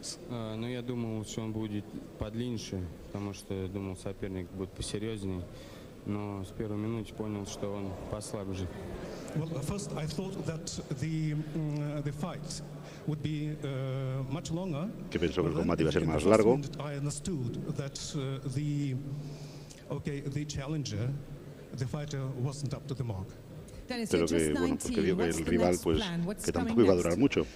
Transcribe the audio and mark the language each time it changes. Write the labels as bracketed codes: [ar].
[ru] Ну, я думал, что он будет подлиннее, потому что я думал, соперник будет посерьезнее. Но с первой минуты понял, что он послабже. [en] Well, first I thought that the fight would be much longer. [es] Que pensó que el combate iba a ser más largo. [en] I understood that the okay, the challenger, the fighter wasn't up to the mark. [es] Pero que, bueno, porque vio que el rival, pues, que tampoco iba a durar mucho.